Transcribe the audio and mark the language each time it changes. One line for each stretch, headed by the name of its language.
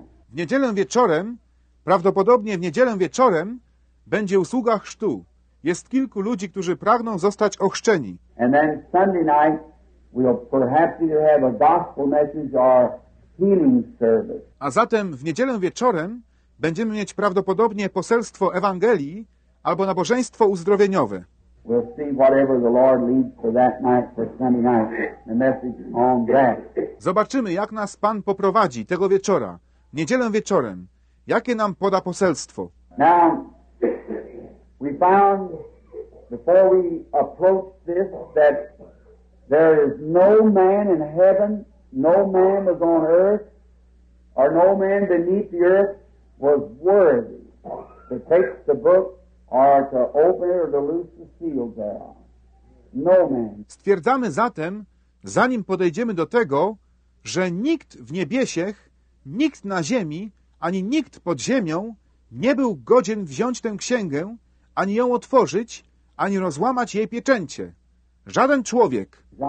Polish: W niedzielę wieczorem, prawdopodobnie w niedzielę wieczorem, będzie usługa chrztu. Jest kilku ludzi, którzy pragną zostać ochrzczeni.
English: And then Sunday night we'll perhaps either have a gospel message or healing service.
Polish: A zatem w niedzielę wieczorem będziemy mieć prawdopodobnie poselstwo Ewangelii albo nabożeństwo uzdrowieniowe.
English: We'll see whatever the Lord leads for that night, for Sunday night, the message on that.
Polish: Zobaczymy, jak nas Pan poprowadzi tego wieczora, w niedzielę wieczorem. Jakie nam poda poselstwo?
English: Now, we found, before we approach this, that there is no man in heaven, no man was on earth, or no man beneath the earth was worthy to take the book or to open it or to loose the seal there. No man.
Polish: Stwierdzamy zatem, zanim podejdziemy do tego, że nikt w niebiesiech, nikt na ziemi, ani nikt pod ziemią nie był godzien wziąć tę księgę, ani ją otworzyć, ani rozłamać jej pieczęcie. Żaden człowiek.